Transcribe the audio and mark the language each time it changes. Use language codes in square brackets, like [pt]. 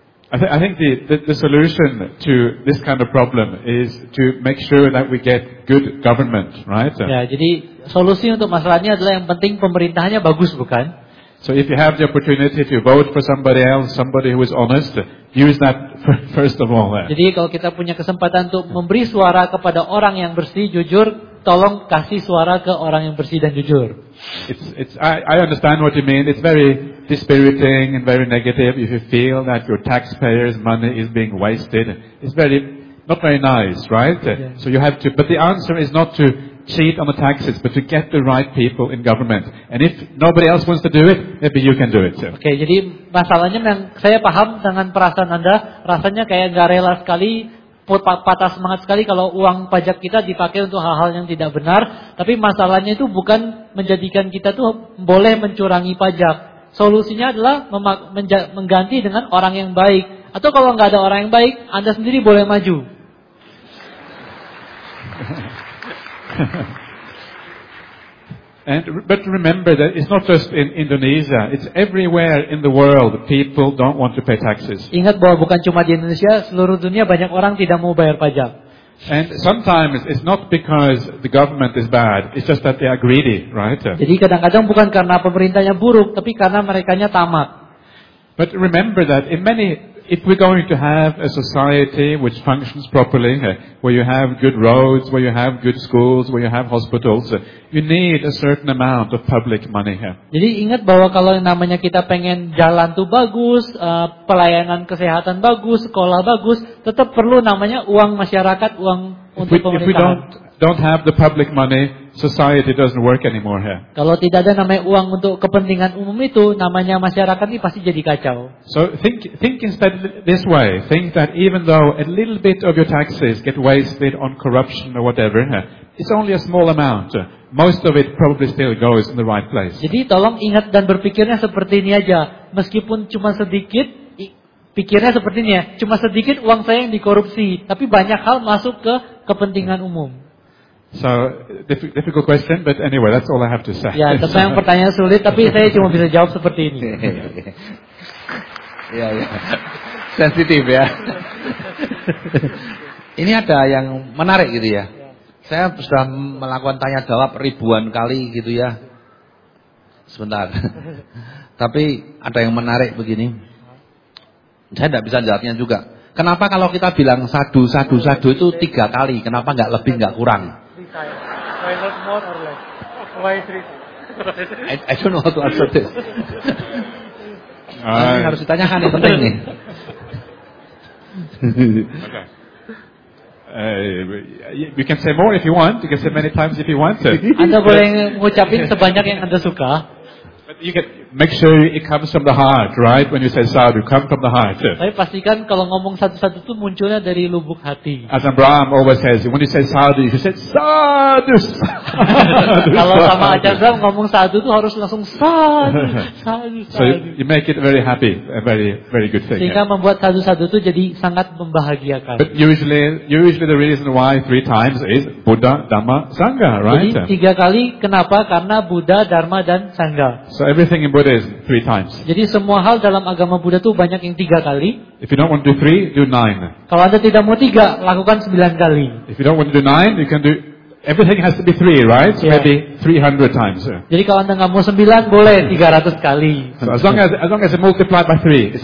[en] I think the solution to this kind of problem is to make sure that we get good government, right? [id] Yeah, jadi solusi untuk masalahnya adalah yang penting pemerintahnya bagus, bukan? [en] So if you have the opportunity to vote for somebody else, somebody who is honest, use that first of all. [id] Jadi kalau kita punya kesempatan untuk memberi suara kepada orang yang bersih, jujur, tolong kasih suara ke orang yang bersih dan jujur. [en] I understand what you mean. It's very dispiriting and very negative if you feel that your taxpayers' money is being wasted. It's very not very nice, right? Yeah. So you have to. But the answer is not to cheat on the taxes, but to get the right people in government. And if nobody else wants to do it, maybe you can do it too. [id] Okay, jadi masalahnya yang saya paham dengan perasaan Anda, rasanya kayak enggak rela sekali, patah semangat sekali kalau uang pajak kita dipakai untuk hal-hal yang tidak benar. Tapi masalahnya itu bukan menjadikan kita tuh boleh mencurangi pajak. Solusinya adalah mengganti dengan orang yang baik. Atau kalau enggak ada orang yang baik, Anda sendiri boleh maju. [en] But remember that it's not just in Indonesia, it's everywhere in the world people don't want to pay taxes. [id] Ingat bahwa bukan cuma di Indonesia, seluruh dunia banyak orang tidak mau bayar pajak. [en] And sometimes it's not because the government is bad, it's just that they are greedy, right? [id] Jadi kadang-kadang bukan karena pemerintahnya buruk, tapi karena merekanya tamak. [en] But remember that if we're going to have a society which functions properly, where you have good roads, where you have good schools, where you have hospitals, you need a certain amount of public money here. [id] Jadi ingat bahwa kalau namanya kita pengen jalan tuh bagus, pelayanan kesehatan bagus, sekolah bagus, tetap perlu namanya uang masyarakat, uang untuk pemerintahan. [en] If we don't have the public money, society doesn't work anymore here. [id] Kalau tidak ada namanya uang untuk kepentingan umum itu, namanya masyarakat ini pasti jadi kacau. [en] So think instead this way. Think that even though a little bit of your taxes get wasted on corruption or whatever, it's only a small amount. Most of it probably still goes in the right place. [id] Jadi tolong ingat dan berpikirnya seperti ini aja. Meskipun cuma sedikit, pikirnya seperti ini ya. Cuma sedikit uang saya yang dikorupsi, tapi banyak hal masuk ke kepentingan umum. [en] So difficult question, but anyway, that's all I have to say. [id] Ya, tetapi yang pertanyaan sulit, tapi saya cuma bisa jawab seperti ini. Ya, ya. Sensitif ya. Ini ada yang menarik gitu ya. Saya sudah melakukan tanya jawab ribuan kali gitu ya. Sebentar. Tapi ada yang menarik begini. Saya tidak bisa jawabnya juga. Kenapa kalau kita bilang sadu, sadu, sadu itu 3 kali? Kenapa enggak lebih, enggak kurang? [en] Why not more or less? Why 3? I don't know how to answer this. [id] Ini harus ditanyakan, ini penting nih. [en] Okay. You can say more if you want. You can say many times if you want. [id] Anda boleh mengucapin sebanyak yang Anda suka. [en] You can make sure it comes from the heart, right? When you say sadhu, come from the heart. [id] Tapi pastikan kalau ngomong satu-satu itu munculnya dari lubuk hati. [en] As Abraham always says, when you say sadhu, you say sadhu. [id] Kalau sama Abraham ngomong sadhu itu harus langsung sadhu, sadhu. [en] So you make it very happy, a very, very good thing. [id] Sehingga membuat satu-satu itu jadi sangat membahagiakan. [en] But usually the reason why 3 times is Buddha, Dhamma, Sangha, right? [id] Jadi 3 kali kenapa? Karena Buddha, Dharma, dan Sangha. [en] So everything in Buddha is 3 times. [id] Jadi semua hal dalam agama Buddha tuh banyak yang 3 kali. [en] If you don't want to do 3, do 9. [id] Kalau Anda tidak mau 3, lakukan 9 kali. [en] If you don't want to do 9, you can do everything has to be 3, right? So yeah. Maybe 300 times. [id] Jadi kalau Anda enggak mau 9, boleh 300 kali. [en] So as long as it multiplied by 3, it's